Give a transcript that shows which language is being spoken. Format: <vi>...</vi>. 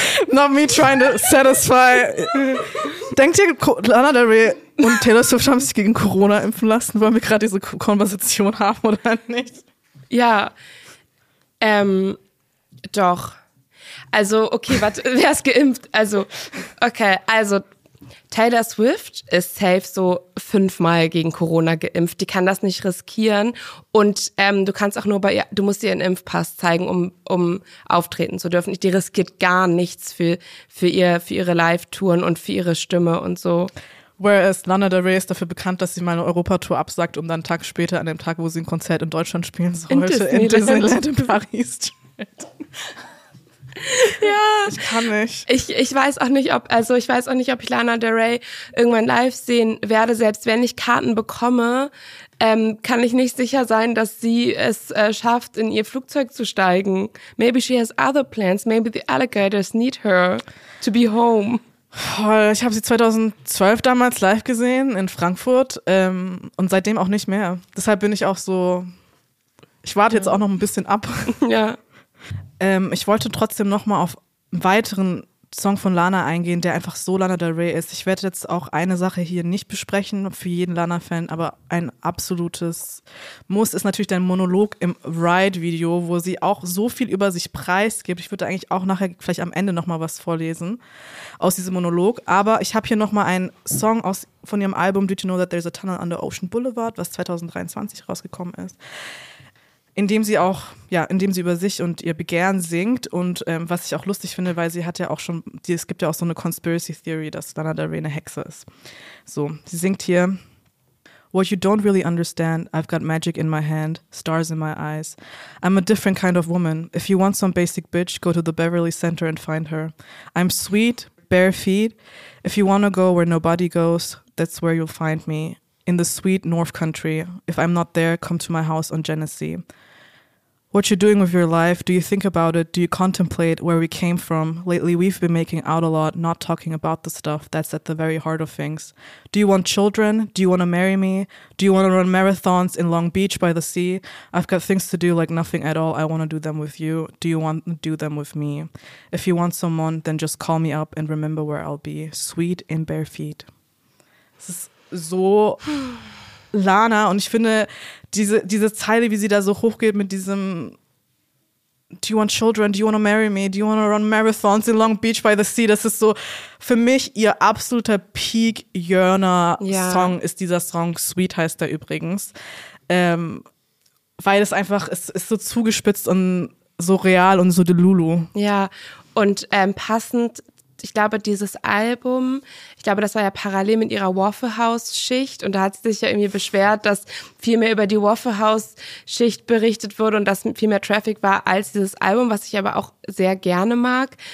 <en>Not me trying to satisfy.</en> <de>Denkt ihr, Lana Del Rey und Taylor Swift haben sich gegen Corona impfen lassen? Wollen wir gerade diese Konversation haben oder nicht? Ja. Doch. Also, okay, warte, wer ist geimpft? Also, okay, also Taylor Swift ist safe so 5-mal gegen Corona geimpft. Die kann das nicht riskieren. Und du kannst auch nur bei ihr, du musst ihr einen Impfpass zeigen, um auftreten zu dürfen. Die riskiert gar nichts für ihre Live-Touren und für ihre Stimme und so. Whereas Lana Del Rey ist dafür bekannt, dass sie mal eine Europatour absagt, um dann einen Tag später, an dem Tag, wo sie ein Konzert in Deutschland spielen sollte, in Disneyland in Paris. Ja, ich kann nicht. Ich weiß auch nicht, ob ich Lana Del Rey irgendwann live sehen werde. Selbst wenn ich Karten bekomme, kann ich nicht sicher sein, dass sie es schafft, in ihr Flugzeug zu steigen.</de> <en>Maybe she has other plans. Maybe the alligators need her to be home.</en> <de>Voll, ich habe sie 2012 damals live gesehen in Frankfurt und seitdem auch nicht mehr. Deshalb bin ich auch so, ich warte jetzt auch noch ein bisschen ab. Ja. Ich wollte trotzdem nochmal auf einen weiteren Song von Lana eingehen, der einfach so Lana Del Rey ist. Ich werde jetzt auch eine Sache hier nicht besprechen für jeden Lana-Fan, aber ein absolutes Muss ist natürlich dein Monolog im Ride-Video, wo sie auch so viel über sich preisgibt. Ich würde eigentlich auch nachher vielleicht am Ende nochmal was vorlesen aus diesem Monolog. Aber ich habe hier nochmal einen Song von ihrem Album Did You Know That There's a Tunnel Under Ocean Boulevard, was 2023 rausgekommen ist. Indem sie über sich und ihr Begehren singt und was ich auch lustig finde, weil sie hat ja auch schon, es gibt ja auch so eine Conspiracy Theory, dass Lana Del Rey eine Hexe ist. So, sie singt hier:</de> <en>What you don't really understand, I've got magic in my hand, stars in my eyes. I'm a different kind of woman. If you want some basic bitch, go to the Beverly Center and find her. I'm sweet, bare feet. If you wanna go where nobody goes, that's where you'll find me. In the sweet North Country. If I'm not there, come to my house on Genesee. What you're doing with your life? Do you think about it? Do you contemplate where we came from? Lately, we've been making out a lot, not talking about the stuff that's at the very heart of things. Do you want children? Do you want to marry me? Do you want to run marathons in Long Beach by the sea? I've got things to do like nothing at all. I want to do them with you. Do you want to do them with me? If you want someone, then just call me up and remember where I'll be. Sweet in bare feet. This is so Lana</en> <de>und ich finde diese Zeile, wie sie da so hochgeht mit diesem</de> <en>Do you want children? Do you want to marry me? Do you want to run marathons in Long Beach by the sea?</en> <de>Das ist so für mich ihr absoluter Peak-Yearner-Song, ja. ist dieser Song. Sweet heißt er übrigens. Weil es einfach, es ist so zugespitzt und so real und so Delulu. Ja, und passend, ich glaube, dieses Album, ich glaube, das war ja parallel mit ihrer Waffle House-Schicht und da hat sie sich ja irgendwie beschwert, dass viel mehr über die Waffle House-Schicht berichtet wurde und dass viel mehr Traffic war als dieses Album, was ich aber auch sehr gerne mag.</de>